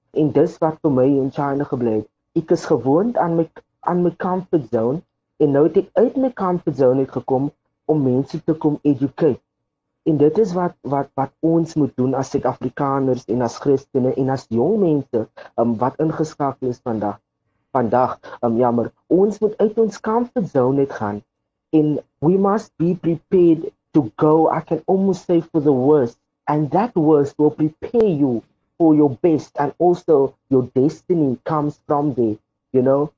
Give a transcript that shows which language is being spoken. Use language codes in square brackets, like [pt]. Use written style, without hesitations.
[af] En dis wat vir my in China gebleef het. Ek is gewoond aan my comfort zone, en nou het ek uit my comfort zone uit gekom om mense te kom educate. En dit is wat ons moet doen as Suid-Afrikaners en as Christene en as jong mense wat ingeskakel is vandag. Jammer, ons moet uit ons comfort zone uit gaan. [en] And we must be prepared to go, I can almost say, for the worst. And that worst will prepare you for your best. And also, your destiny comes from there, you know.